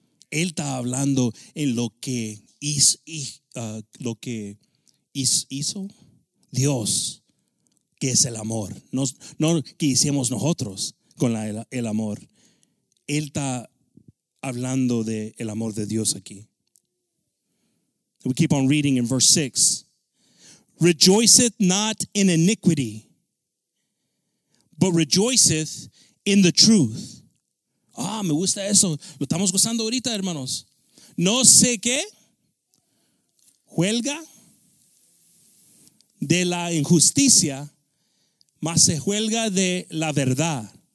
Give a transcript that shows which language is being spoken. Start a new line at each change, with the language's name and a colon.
Spanish: Él está hablando en lo que hizo Dios, que es el amor. No que hicimos nosotros con el amor. Él está hablando del amor de Dios aquí.
English: We keep on reading in verse 6. Rejoiceth not in iniquity, but rejoiceth in the truth.
Spanish: Ah, me gusta eso. Lo estamos gozando ahorita, hermanos. No sé qué huelga de la injusticia, mas se huelga de la verdad.